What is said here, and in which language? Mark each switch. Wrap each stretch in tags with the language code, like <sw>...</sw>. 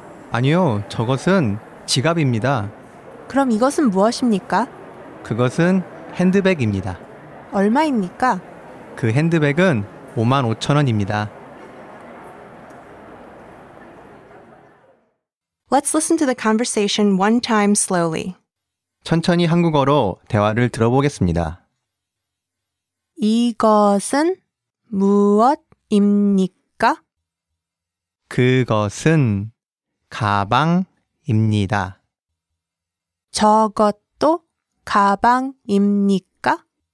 <ko>아니요, 저것은 지갑입니다. 그럼 이것은 무엇입니까? 그것은 핸드백입니다. 얼마입니까? 그 핸드백은 5만 5천 원입니다.</ko> <en>Let's listen to the conversation one time slowly.</en> <ko>천천히 한국어로 대화를 들어보겠습니다. 이것은 무엇입니까? 그것은 가방입니다. 저것도 가방입니까?</ko>